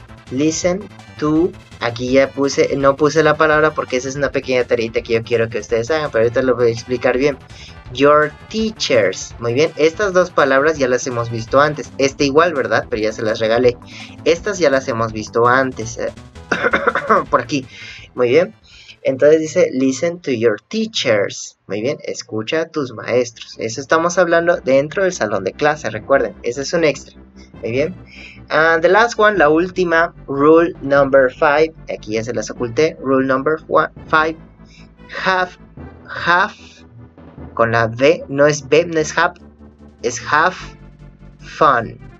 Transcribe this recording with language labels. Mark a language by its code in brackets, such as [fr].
[en] Listen to. [es] Aquí ya puse, no puse la palabra porque esa es una pequeña tarita que yo quiero que ustedes hagan, pero ahorita lo voy a explicar bien. [en] Your teachers. [es] Muy bien, estas dos palabras ya las hemos visto antes. Este igual, ¿verdad? Pero ya se las regalé. Estas ya las hemos visto antes. Por aquí. Muy bien. Entonces dice, [en] listen to your teachers. [es] Muy bien, escucha a tus maestros. Eso estamos hablando dentro del salón de clase, recuerden. Ese es un extra. Muy bien. [en] And the last one, [es] la última, [en] rule number 5. [es] Aquí ya se las oculté. [en] Rule number 5. [es] Have, con la B, no es B, no es have, es [en] have fun.